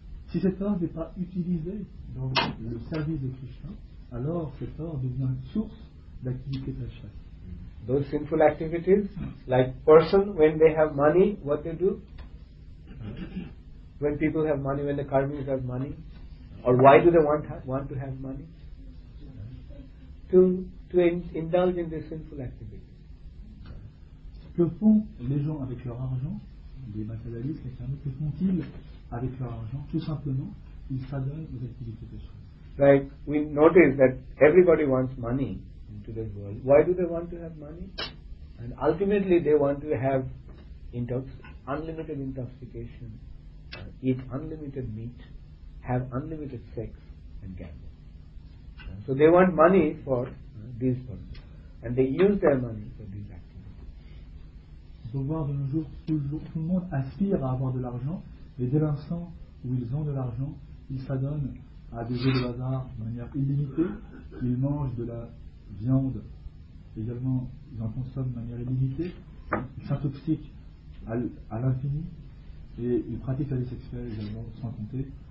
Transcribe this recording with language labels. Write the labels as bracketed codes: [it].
[fr] Si cet or n'est pas utilisé dans le service de Krishna, alors cet or devient une source d'activité pécheresse. [en] Those sinful activities, like person when they have money, what they do? When people have money, when the karmis have money, or why do they want to have money? To indulge in this sinful activity. [fr] Que font les gens avec leur argent, les matérialistes, les fermiers, que font-ils avec leur argent? Tout simplement, ils s'adonnent aux activités pécheresses. [en] Like we notice that everybody wants money in today's world. Why do they want to have money? And ultimately they want to have unlimited intoxication, eat unlimited meat, have unlimited sex and gamble. So they want money for these purposes, and they use their money for these activities. [fr] On voit de nos jours tout le monde aspire à avoir de l'argent, mais dès l'instant où ils ont de l'argent, ils s'adonnent à des jeux de hasard de manière illimitée. Ils mangent de la viande également, ils en consomment de manière illimitée. Ils s'intoxiquent à l'infini et ils pratiquent la vie sexuelle également sans compter.